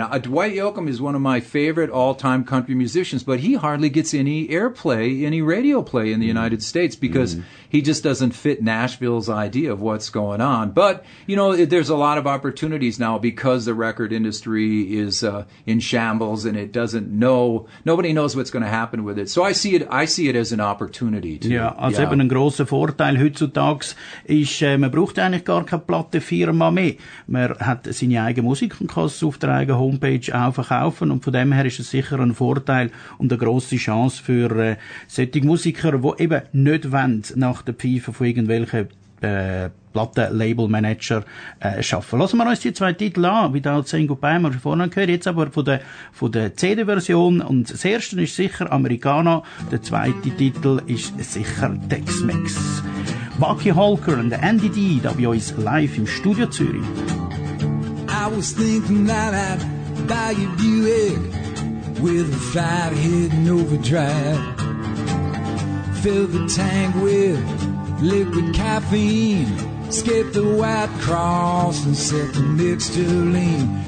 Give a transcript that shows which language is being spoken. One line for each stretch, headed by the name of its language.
English: Dwight Yoakam is one of my favorite all-time country musicians, but he hardly gets any airplay, any radio play in the United States because he just doesn't fit Nashville's idea of what's going on. But, you know, there's a lot of opportunities now because the record industry is in shambles and it doesn't know, nobody knows what's going to happen with it. So I see it as an opportunity.
German: Eben ein grosser Vorteil heutzutage ist, man braucht eigentlich gar keine Plattenfirma mehr. Man hat seine eigene Musik und kann es auf der eigenen Homepage auch verkaufen und von dem her ist es sicher ein Vorteil und eine grosse Chance für solche Musiker, die eben nicht wollen, nach der Pfeife von irgendwelchen Platten-Label-Manager arbeiten. Lassen wir uns die zwei Titel an, Without Saying Goodbye, haben wir vorhin gehört, jetzt aber von der CD-Version. Und das erste ist sicher Americana, der zweite Titel ist sicher Tex-Mex. Bucky Holker und Andy D, da bei uns live im Studio Zürich.
English: I was thinking that I'd buy you Buick with a flat hidden overdrive. Fill the tank with liquid caffeine. Skip the white cross and set the mixture lean.